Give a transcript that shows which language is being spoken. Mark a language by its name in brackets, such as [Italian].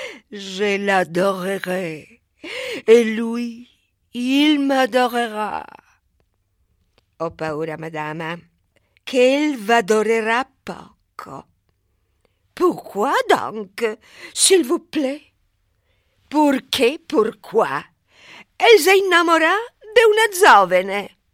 [French] Je l'adorerai [Italian] e lui, [French] il m'adorerà. [Italian] Ho paura, madama, che il v'adorerà poco. [French] Pourquoi donc, s'il vous plaît? [Italian] Perché, pourquoi? [French] Elle s'est [Italian] innamorée de una giovane.